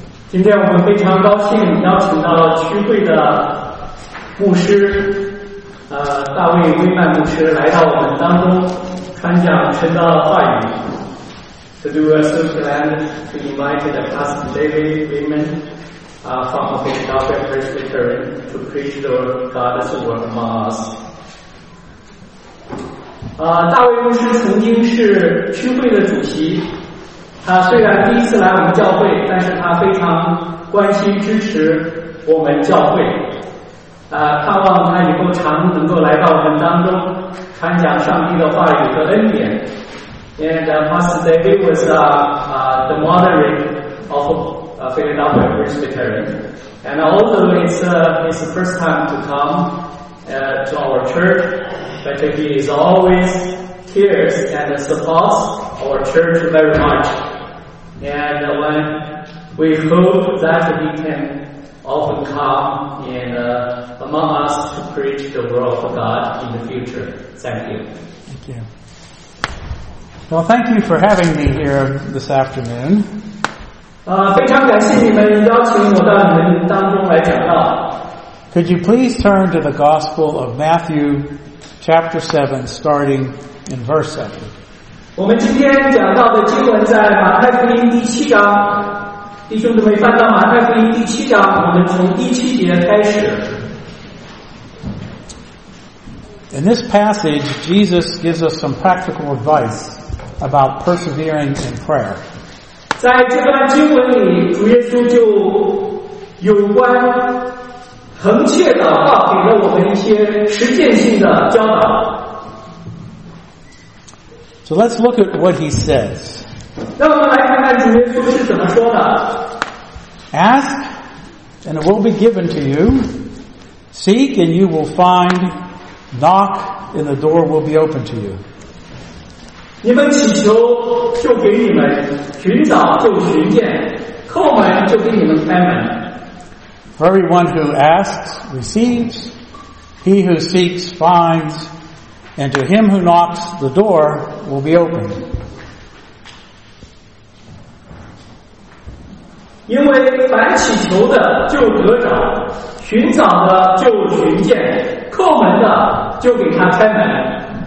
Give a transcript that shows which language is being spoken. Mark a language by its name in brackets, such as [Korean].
[Chinese] 今天我们非常高兴邀请到区会的牧师，大卫·威曼牧师来到我们当中，传讲神的话语。 [English] So we are so glad to invite the pastor David Wayman, from the Philadelphia Presbytery to preach the God's word among us. [Chinese] 大卫牧师曾经是区会的主席。他虽然第一次来我们教会，但是他非常关心支持我们教会，盼望他以后常能够来到我们当中传讲上帝的话语和恩典。 [English] And Pastor David was the moderator of Philadelphia Presbytery, and although it's his first time to come to our church, but he is always cares and supports our church very muchAnd when we hope that he can often come and among us to preach the word of God in the future. Thank you. Thank you. Well, thank you for having me here this afternoon. [Chinese] 非常感谢你们邀请我到你们当中来讲道。 [English] Could you please turn to the Gospel of Matthew, chapter 7, starting in verse 7? [Chinese] 我们今天讲到的经文在马太福音第七章，弟兄姊妹翻到马太福音第七章，我们从第七节开始。 [English] In this passage, Jesus gives us some practical advice about persevering in prayer. [Chinese] 在这段经文里，主耶稣就有关恒切祷告给了我们一些实践性的教导。 [English] So let's look at what he says. [Chinese] 让我们来看看主耶稣是怎么说的。 [English] Ask, and it will be given to you. Seek, and you will find. Knock, and the door will be opened to you. [Chinese] 你们祈求就给你们，寻找就寻见，叩门就给你们开门。 [English] For everyone who asks receives, he who seeks finds,And to him who knocks, the door will be opened. [Chinese] 因为凡祈求的就得着，寻找的就寻见，叩门的就给他开门。